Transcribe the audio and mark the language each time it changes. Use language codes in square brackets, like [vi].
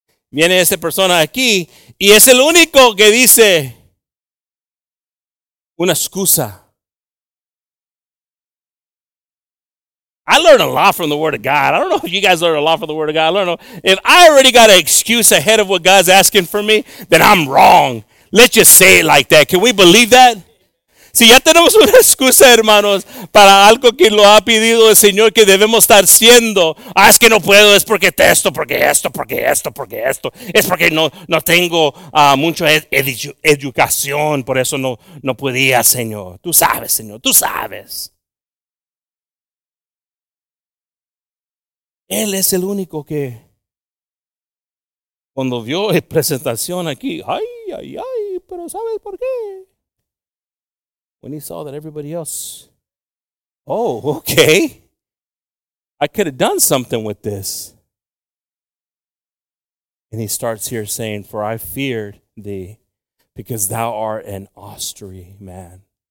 [es] Viene esta persona aquí y es el único que dice una excusa. [en] I learned a lot from the Word of God. I don't know if you guys learned a lot from the Word of God. I don't know. If I already got an excuse ahead of what God's asking for me, then I'm wrong. Let's just say it like that. Can we believe that? [es] Si ya tenemos una excusa, hermanos, para algo que lo ha pedido el Señor que debemos estar siendo. Ah, es que no puedo, es porque esto, porque esto, porque esto, porque esto. Es porque no tengo mucha educación, por eso no podía, Señor. Tú sabes, Señor, tú sabes. Él es el único que cuando vio la presentación aquí, ay, ay, ay, pero ¿sabes por qué? [en] When he saw that everybody else, oh, okay, I could have done something with this. And he starts here saying, for I feared thee, because thou art an austere man.